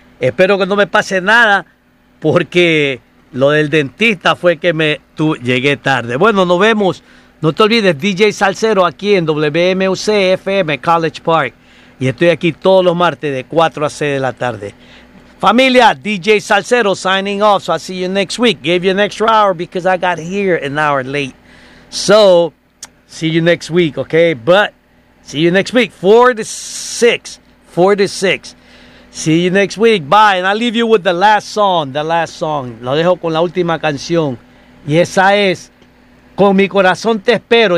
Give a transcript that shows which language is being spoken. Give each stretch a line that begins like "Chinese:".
Spanish: Espero que no me pase nada, porque lo del dentista fue que llegué tarde. Bueno, nos vemos, No te olvides, DJ Salsero aquí en WMUC FM College Park. Y estoy aquí todos los martes de 4 a 6 de la tarde.
English: Familia, DJ Salsero signing off. So I'll see you next week. Gave you an extra hour because I got here an hour late. So, see you next week, okay? But, see you next week. 4 to 6. 4 to 6. See you next week. Bye. And I leave you with the last song. The last song.
Spanish: Lo dejo con la última canción. Y esa es Con Mi Corazón Te Espero.